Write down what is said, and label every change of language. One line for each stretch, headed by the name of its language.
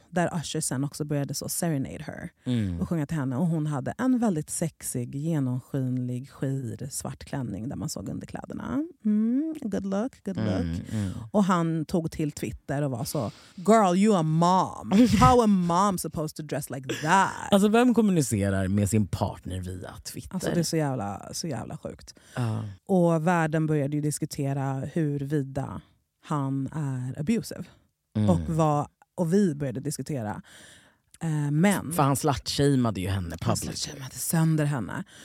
Swedish: Där Usher sen också började så
English: serenade her
Swedish: och sjunga till henne. Och hon hade en väldigt sexig, genomskinlig, skir, svart klänning där man såg underkläderna.
English: Mm, good look, good look.
Swedish: Mm, mm. Och han tog till Twitter och var så,
English: girl, you a mom. How a mom supposed to dress like that?
Swedish: Alltså vem kommunicerar med sin partner via Twitter? Alltså det är så jävla sjukt. Och världen började ju diskutera huruvida han är abusive. Mm. Och vi började diskutera. Men för han slutshamade ju henne
English: publicly.
Swedish: Han slutshamade sönder henne.